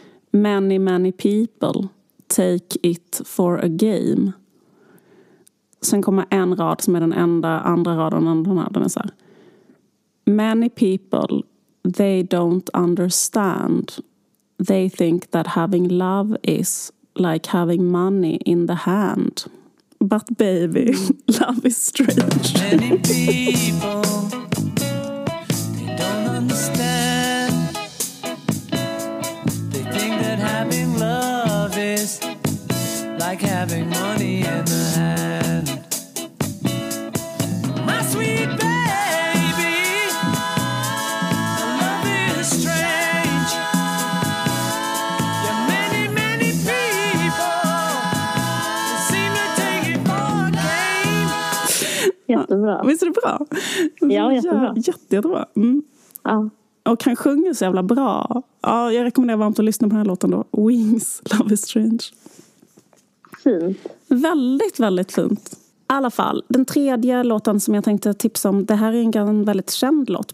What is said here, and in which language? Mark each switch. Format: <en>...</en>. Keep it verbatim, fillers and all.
<en>Many, many people take it for a game.</en> <sv>Sen kommer en rad som är den enda, andra raden, den här, den är så här.</sv> <en>Many people, they don't understand. They think that having love is like having money in the hand. But baby, love is strange. Many people understand. They think that having love is like having money in the hand. My sweet baby, love is strange. Yeah, many, many people seem to take it for a game.</en> <sv>Jättebra. Visst är det bra? Ja, jättebra. Jätte, jättebra. Mm. Ja. Och han sjunger så jävla bra. Ja, jag rekommenderar varmt att lyssna på den här låten då.</sv> <en>Wings, Love is Strange.</en> <sv>Fint. Väldigt, väldigt fint. I alla fall, den tredje låten som jag tänkte tipsa om. Det här är en väldigt känd låt.</sv>